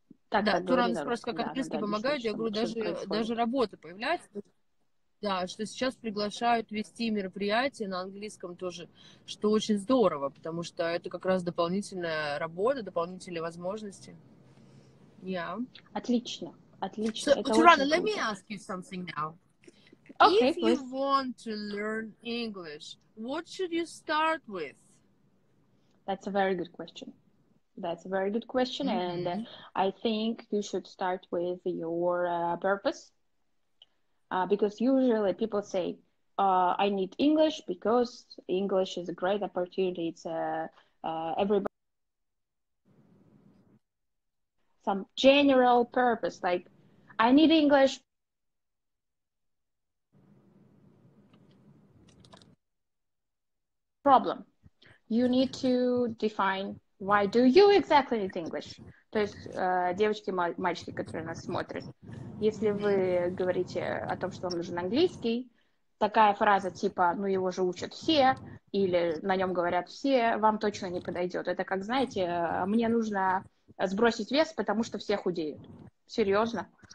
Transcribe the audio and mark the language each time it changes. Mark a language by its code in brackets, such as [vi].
[ru] Туран спрашивает, как английский помогает, я говорю, даже работа появляется. Да, что сейчас приглашают вести мероприятия на английском тоже, что очень здорово, потому что это как раз дополнительная работа, дополнительные возможности. [en] Yeah. [ru] Отлично, отлично. [en] So, Turana, let me ask you something now. Okay, if you want to learn English, what should you start with? That's a very good question. That's a very good question, and I think you should start with your purpose. Because usually people say, I need English because English is a great opportunity. It's everybody. Some general purpose, like, I need English. Problem. You need to define why do you exactly need English. [ru] То есть, девочки, мальчики, которые нас смотрят, если вы говорите о том, что вам нужен английский, такая фраза типа «ну его же учат все» или «на нем говорят все» вам точно не подойдет. Это как, знаете, «мне нужно сбросить вес, потому что все худеют». Серьезно?